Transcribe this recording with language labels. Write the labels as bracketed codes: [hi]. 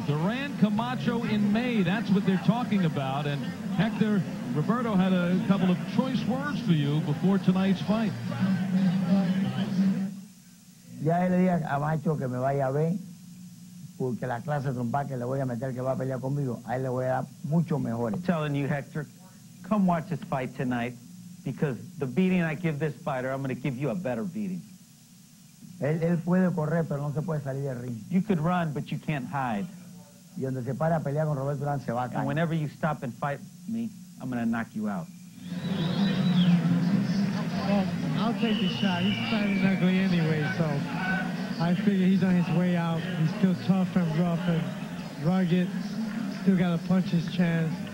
[en] Duran Camacho in May, that's what they're talking about. And Hector, Roberto had a couple of choice words for you before tonight's fight. [es] Ya le dije a Macho que me vaya a ver, porque la clase trompa que le voy a meter que va a pelear conmigo, ahí le voy a dar mucho mejor. [en] I'm telling you, Hector, come watch this fight tonight. Because the beating I give this fighter, I'm going to give you a better beating. [es] Él puede correr, pero no se puede salir del ring. [en] You could run, but you can't hide. [es] Y donde se para a pelear con Roberto Duran, se va a caer. [en] And whenever you stop and fight me, I'm going to knock you out. Well, I'll take the shot. He's fighting ugly anyway, so I figure he's on his way out. He's still tough and rough and rugged. Still got to punch his chance.